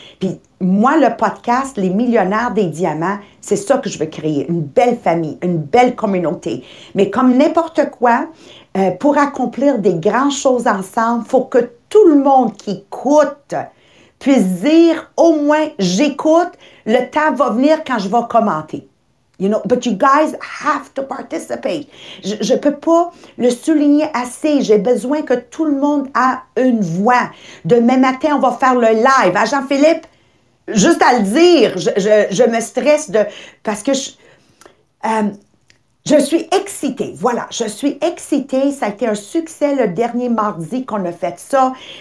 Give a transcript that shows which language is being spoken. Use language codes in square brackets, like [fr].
[fr] Puis moi, le podcast, Les Millionnaires des Diamants, c'est ça que je veux créer, une belle famille, une belle communauté. Mais comme n'importe quoi, pour accomplir des grandes choses ensemble, il faut que tout le monde qui écoute puisse dire au moins j'écoute, le temps va venir quand je vais commenter. [en] You know, but you guys have to participate. [fr] Je ne peux pas le souligner assez. J'ai besoin que tout le monde ait une voix. Demain matin, on va faire le live. À Jean-Philippe, juste à le dire, je me stresse de parce que je suis excitée. Voilà, je suis excitée. Ça a été un succès le dernier mardi qu'on a fait ça.